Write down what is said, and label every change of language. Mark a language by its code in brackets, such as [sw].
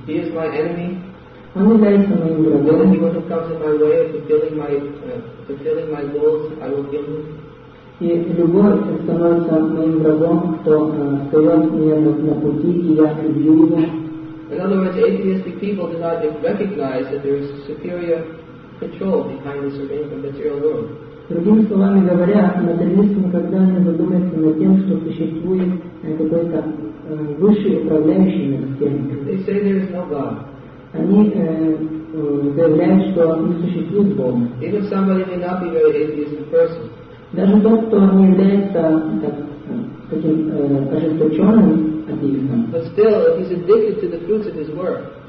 [en] He is my enemy. [ru] Он является моим врагом. [en] The enemy who comes in my way of fulfilling my goals, I will kill him. [ru] И любовь становится моим врагом, кто стоит мне на пути, и я люблю его. [en] In other words, atheistic people do not recognize that there is superior control behind the surveying of material world. [ru] Другими словами говоря, материалист никогда не задумывается над тем, что существует какой-то высший управляющий над всем. [en] They say there is no God. [ru] Они заявляют, что не существует Бога. [en] Even somebody may not be very atheistic person. [ru] Даже тот, кто не является таким ожесточенным атеистом. [en] But still, if he's addicted to the fruits of his work.